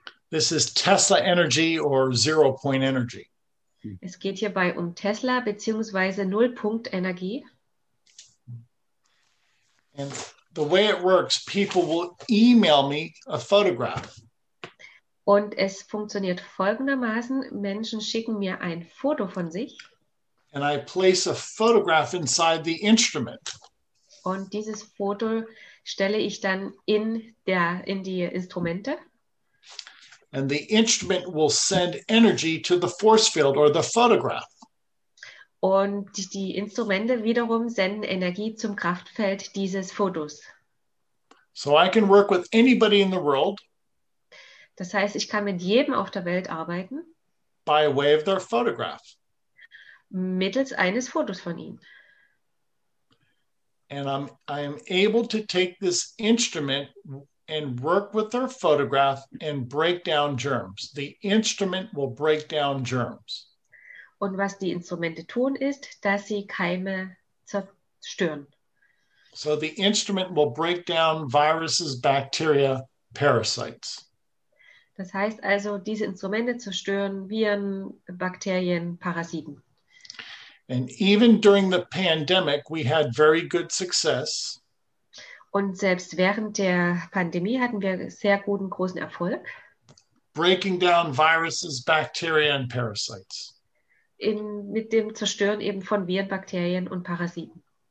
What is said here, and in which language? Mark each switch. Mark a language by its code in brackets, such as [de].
[en] This is Tesla energy or zero point energy. [de] Es geht hierbei um Tesla beziehungsweise Nullpunktenergie. [en] And the way it works, people will email me a photograph. [de] Und es funktioniert folgendermaßen: Menschen schicken mir ein Foto von sich. [en] And I place a photograph inside the instrument. [de] Und dieses Foto stelle ich dann in die Instrumente. [en] And the instrument will send energy to the force field or the photograph. [de] Und die Instrumente wiederum senden Energie zum Kraftfeld dieses Fotos. [en] So I can work with anybody in the world. [de] Das heißt, ich kann mit jedem auf der Welt arbeiten. [en] By way of their photograph. [de] Mittels eines Fotos von ihnen. [en] And I'm able to take this instrument and work with their photograph and break down germs. The instrument will break down germs. [de] Und was die Instrumente tun ist, dass sie Keime zerstören. [en] So the instrument will break down viruses, bacteria, parasites. [de] Das heißt also, diese Instrumente zerstören Viren, Bakterien, Parasiten. [en] And even during the pandemic, we had very good success. [de] Und selbst während der Pandemie hatten wir sehr guten, großen Erfolg. [en] Breaking down viruses, bacteria and parasites. [de] Mit dem Zerstören eben von Viren, Bakterien und Parasiten.